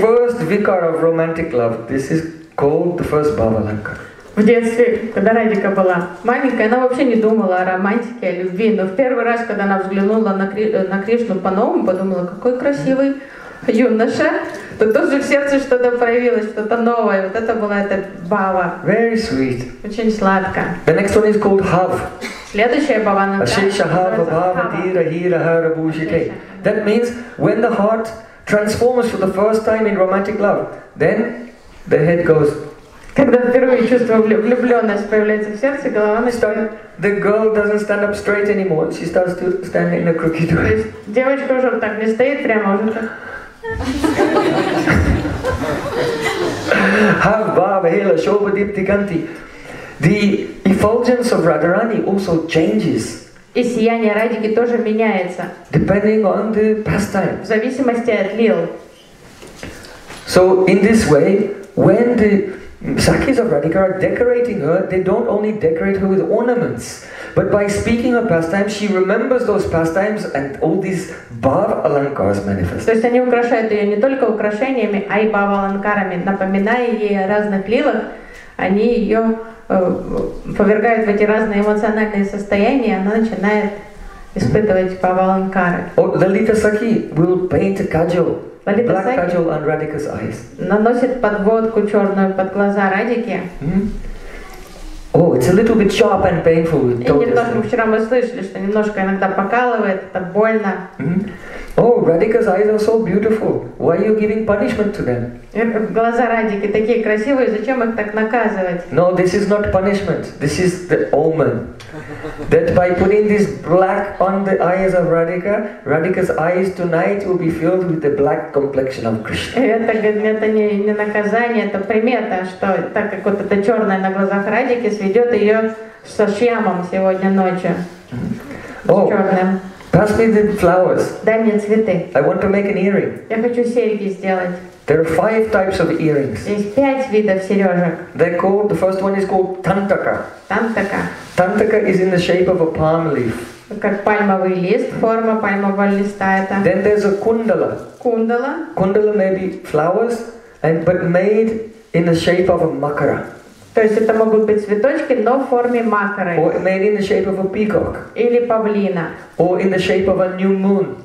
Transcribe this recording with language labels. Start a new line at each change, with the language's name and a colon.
English: the first vicar of romantic love, this is called the first bhava alankara.
Russian: В детстве, когда Радика была маленькая, она вообще не думала о романтике, о любви. Но в первый раз, когда она взглянула на Кришну по-новому, подумала, какой красивый юноша, то тут же в сердце что-то проявилось, что-то новое. Вот это была эта бхава.
English: Very sweet.
Russian: Очень сладко.
English: The next one is called hav.
Russian: Следующая bhava alankara.
Sanskrit: Ashesha hava bhava dhira hira hara bhushite.
English: That means when the heart transforms for the first time in romantic love, then the head goes.
Russian: Когда впервые чувство влюбленность появляется в сердце, голова начинает.
English: The girl doesn't stand up straight anymore. She starts to stand in a crooked way.
Russian: Девочка уже так не стоит прямо, уже так.
English: Have bhava hela shobha dipti kanti. The effulgence of Radharani also changes.
Russian: И сияние Радики тоже меняется.
English: Depending on the pastime.
Russian: В зависимости от лил.
English: So in this way, when the Sakis of Radhika are decorating her, they don't only decorate her with ornaments, but by speaking her pastimes, she remembers those pastimes and all these bhava alankars manifest.
Russian: То есть они украшают ее не только украшениями, а и бхава аланкарами, напоминая ей о разных лилах, они ее повергают в эти разные эмоциональные состояния, она начинает испытывать бхава аланкары.
English: Or Lalita Sakhi will paint a kajal. Black kajal on Radhika's eyes.
Russian: Наносит подводку черную под глаза Радики.
English: Oh, it's a little bit sharp and painful.
Russian: И немножко вчера мы слышали, что немножко иногда покалывает, так больно.
English: Oh, Radhika's eyes are so beautiful. Why are you giving punishment to them?
Russian: Глаза Радики такие красивые, зачем их так наказывать?
English: No, this is not punishment. This is the omen. That by putting this black on the eyes of Radhika, Radhika's eyes tonight will be filled with the black complexion of Krishna.
Russian: Это не наказание, это примета, что так как вот это черное на глазах Радики сведет ее со шьямом сегодня ночью.
English: Oh, pass me the flowers.
Russian: Дай мне цветы.
English: I want to make an earring.
Russian: Я хочу серьги сделать.
English: There are five types of earrings.
Russian: Есть пять видов сережек.
English: They're called, the first one is called tantaka.
Russian: Tantaka.
English: Tantaka is in the shape of a palm leaf.
Russian: Как пальмовый лист, форма пальмового листа это.
English: Then there's a kundala.
Russian: Kundala.
English: Kundala may be flowers, but made in the shape of a makara.
Russian: То есть это могут быть цветочки, но в форме макары.
English: Or made in the shape of a peacock.
Russian: Или павлина.
English: Or in the shape of a new moon.